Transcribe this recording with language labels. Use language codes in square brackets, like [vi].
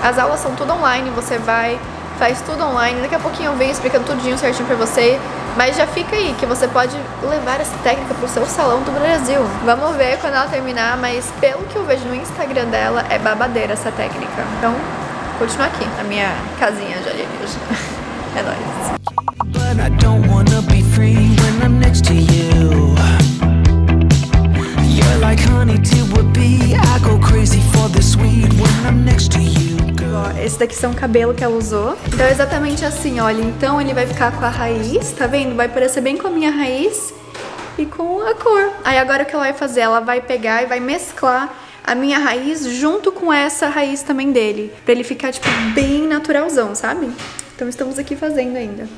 [pt] As aulas são tudo online, você vai... Faz tudo online, daqui a pouquinho eu venho explicando tudinho certinho pra você. Mas já fica aí, que você pode levar essa técnica pro seu salão do Brasil. Vamos ver quando ela terminar, mas pelo que eu vejo no Instagram dela, é babadeira essa técnica. Então, continua aqui, na minha casinha de alienígena. É nóis. [en] But I don't wanna be free when I'm next to you. You're like honey to a bee. I go crazy for the sweet when I'm next to you. [pt] Esse daqui são o cabelo que ela usou. Então é exatamente assim, olha. Então ele vai ficar com a raiz, tá vendo? Vai parecer bem com a minha raiz e com a cor. Aí agora o que ela vai fazer? Ela vai pegar e vai mesclar a minha raiz junto com essa raiz também dele. Pra ele ficar, tipo, bem naturalzão, sabe? Então estamos aqui fazendo ainda.